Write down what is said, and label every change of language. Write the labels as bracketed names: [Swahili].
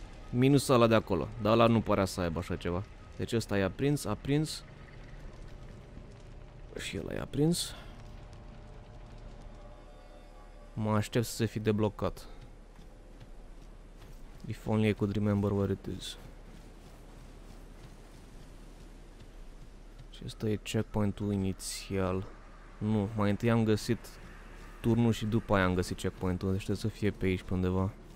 [Romanian] Minus ăla de acolo. Dar ăla nu părea să aibă așa ceva. Deci ăsta i-a prins, a prins. Și ăla i-a prins. Mă aștept să se fi deblocat. [English] If only I could remember where it is. [Romanian] Și ăsta e checkpoint-ul inițial. Nu, mai întâi am găsit turnul și după aia am găsit checkpoint-ul. Deci trebuie să fie pe aici, pe undeva.